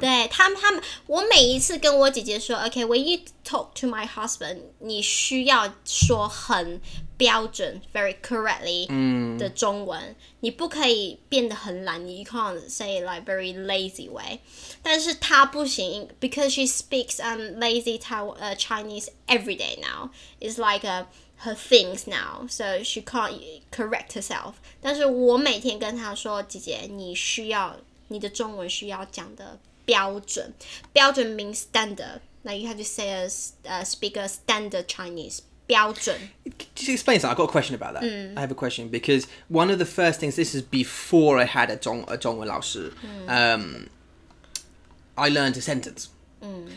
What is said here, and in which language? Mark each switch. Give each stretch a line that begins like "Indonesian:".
Chinese: 对他们他们我每一次跟我姐姐说
English: okay, when you talk to my husband,
Chinese: 你需要说很标准
English: very correctly
Chinese: 的中文、嗯、你不可以变得很懒
English: you can't say like very lazy way.
Chinese: 但是她不行
English: because she speaks lazy Chinese every day now. It's like a... her things now, so she can't correct herself.
Chinese: 但是我每天跟她说，姐姐，你需要你的中文需要讲的标准。
English: 标准 means standard. Like you have to say speak a standard Chinese.
Chinese: 标准。
English: Just explain that. I've got a question about that.、 Mm. I have a question because one of the first things, this is before I had a
Chinese: 中文老师、 mm.
English: I learned a sentence. Mm.